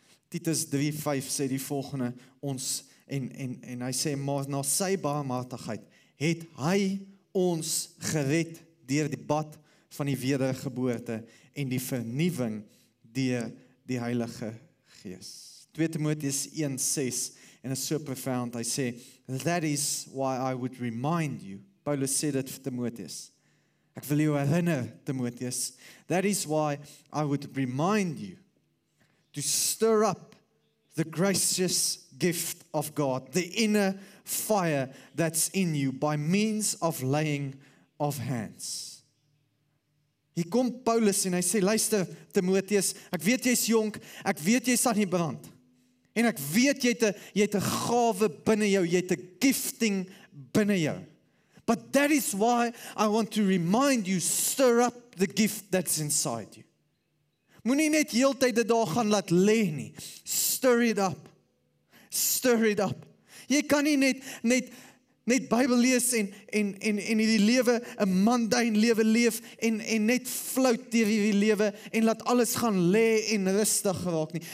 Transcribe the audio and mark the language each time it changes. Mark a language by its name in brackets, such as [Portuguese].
[Afrikaans] Titus 3:5 sê die volgende, ons en hy sê, maar na sy barmhartigheid het hy ons gered deur die bad van die wedergeboorte en die vernuwing deur die Heilige Gees. [English] 2 Timoteus 1:6 en is so profound, [Afrikaans] hy sê, [English] that is why I would remind you, [Afrikaans] Paulus sê dit vir Timoteus, ek wil jou herinner, Timoteus, [English] that is why I would remind you to stir up the gracious gift of God, the inner fire that's in you by means of laying of hands. [Afrikaans] Hier kom Paulus en hy sê, luister, Timoteus, ek weet jy is jonk, ek weet jy is aan die brand, en ek weet, jy het een gave binnen jou, jy het een gifting binnen jou. [English] But that is why I want to remind you, stir up the gift that's inside you. [Afrikaans] Moet nie net heel tyd die dag gaan laat leeg nie. [English] Stir it up. Stir it up. [Afrikaans] Jy kan nie net Bybel lees en hierdie lewe, een mundane lewe leef en net flout deur hierdie lewe en laat alles gaan lê en rustig raak nie.